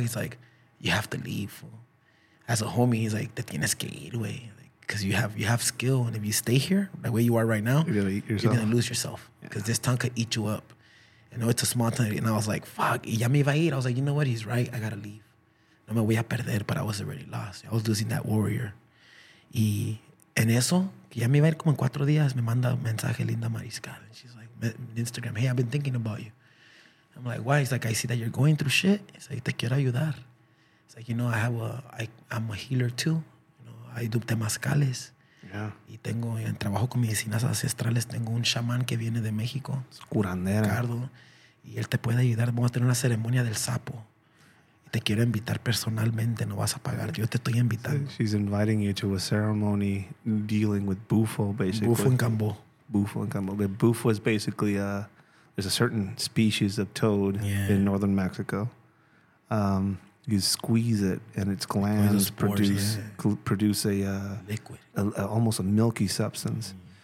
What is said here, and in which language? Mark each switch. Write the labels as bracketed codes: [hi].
[en] He's like, you have to leave. As a homie, he's like, [es] te tienes que ir, güey. [en] Because you have skill, and if you stay here, the way you are right now, you're going to lose yourself. Because this town could eat you up. You know, it's a small town. And I was like, fuck, [es] ya me iba a ir. [en] I was like, you know what? He's right. I got to leave. [es] No me voy a perder, [en] but I was already lost. I was losing that warrior. [es] Y en eso, ya me iba a ir como en 4 días, me manda un mensaje Linda Mariscal. [en] And she's like, Instagram, hey, I've been thinking about you. I'm like, why? He's like, I see that you're going through shit. He's like, [es] te quiero ayudar. [en] It's like, you know, I'm a healer too. You know, I do temazcales. Yeah. [es] Y tengo, en trabajo con medicinas ancestrales, tengo un chamán que viene de México. Es curandera. Ricardo. Y él te puede ayudar. Vamos a tener una ceremonia del sapo. Te quiero invitar personalmente, no vas a pagar. Yo te estoy invitando. [en] She's inviting you to a ceremony dealing with Bufo, basically. Bufo en Cambo. Bufo en Cambo. But Bufo is basically there's a certain species of toad in northern Mexico. You squeeze it and its glands produce a liquid, almost a milky substance. Mm.